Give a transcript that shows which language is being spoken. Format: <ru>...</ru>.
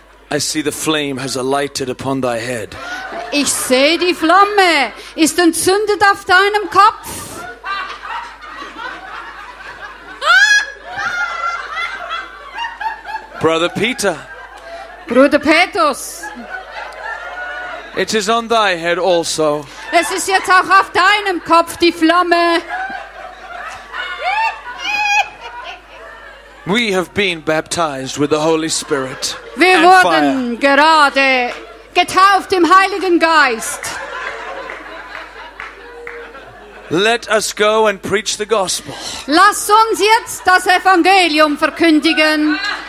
<en>I see the flame has alighted upon thy head.</en> <de>Ich sehe die Flamme ist entzündet auf deinem Kopf.</de> <en>Brother Peter.</en> <de>Bruder Petrus.</de> <en>It is on thy head also.</en> <de>Es ist jetzt auch auf deinem Kopf die Flamme.</de> <en>We have been baptized with the Holy Spirit.</en> <de>Wir wurden gerade getauft im Heiligen Geist.</de> <en>Let us go and preach the gospel.</en> <de>Lass uns jetzt das Evangelium verkündigen.</de>